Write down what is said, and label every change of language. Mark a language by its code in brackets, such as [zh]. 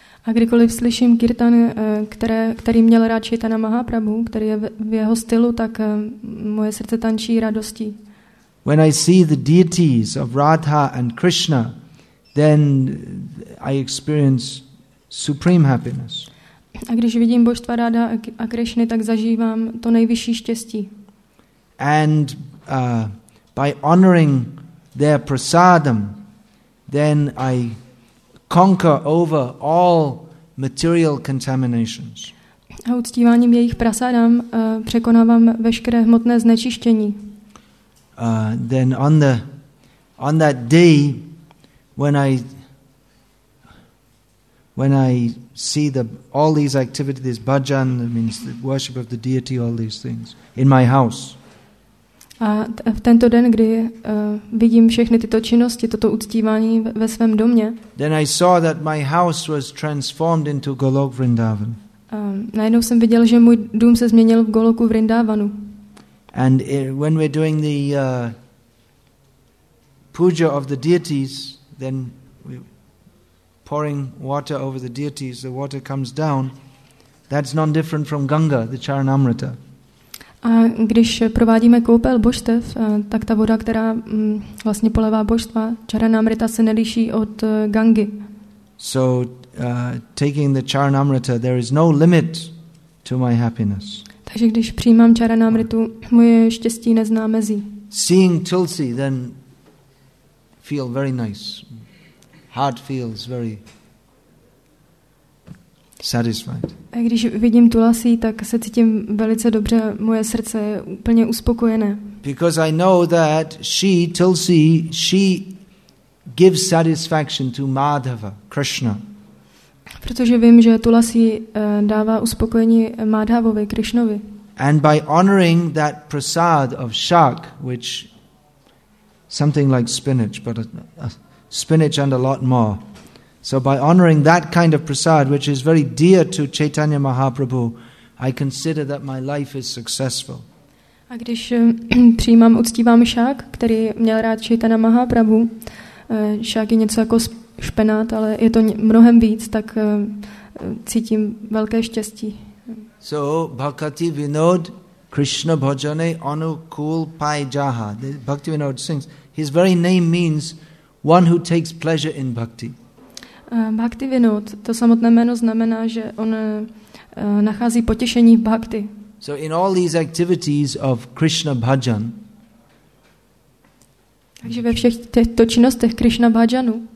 [cs] A kdykoliv slyším kirtan, který měl rád Chaitanya Mahaprabhu, který je v jeho stylu, tak moje srdce tančí radostí. [en] When I see the deities of Radha and Krishna, then I experience supreme happiness. [cs] A když vidím božstva Radha a Krishny, tak zažívám to nejvyšší štěstí. [en] And by honoring their prasadam, then I conquer over all material contaminations. [cs] A uctíváním jejich prasadam překonávám veškeré hmotné znečištění. [en] Then on that day when I see all these activities, this bhajan, that means the worship of the deity, all these things in my house. [cs] A v tento den, kdy vidím všechny tyto činnosti, toto uctívání ve svém domě. [en] Then I saw that my house was transformed into Golok Vrindavan. [cs] Najednou jsem viděl, že můj dům se změnil v Goloku Vrindavanu. [en] And when we're doing the puja of the deities, then pouring water over the deities, the water comes down. That's none different from Ganga, the Charanamrita. [cs] A když provádíme koupel božstev, tak ta voda, která vlastně polevá božstva, Charanamrita, se neliší od Gangy. [en] So taking the Charanamrita, there is no limit to my happiness. [cs] Takže když přijímám Charanamritu, moje štěstí nezná mezí. [en] Seeing Tulsi, then feel very nice. Heart feels very satisfied. [cs] A když vidím tulasi, tak se cítím velice dobře, moje srdce je úplně uspokojené. [en] Because I know that she, Tulsi, she gives satisfaction to Madhava, Krishna. [cs] Protože vím, že tulasi dává uspokojení Madhavovi, Krishnovi. [en] And by honoring that prasad of shak, which something like spinach, but spinach and a lot more. So by honoring that kind of prasad, which is very dear to Chaitanya Mahaprabhu, I consider that my life is successful. [cs] A když přijímám, uctívám šák, který měl rád Chaitanya Mahaprabhu, šák je něco jako špenát, ale je to mnohem víc, tak cítím velké štěstí. [en] So Bhakti Vinod [bn] Krishna Bhajane Anukul Pai Jaha. [en] Bhakti Vinod sings. His very name means one who takes pleasure in bhakti. [cs] Bhakti Vinod, to samotné jméno znamená, že on nachází potěšení v bhakti. [en] So in all these activities of Krishna bhajan. [cs] Takže ve všech těchto činnostech Krishna bhajanu.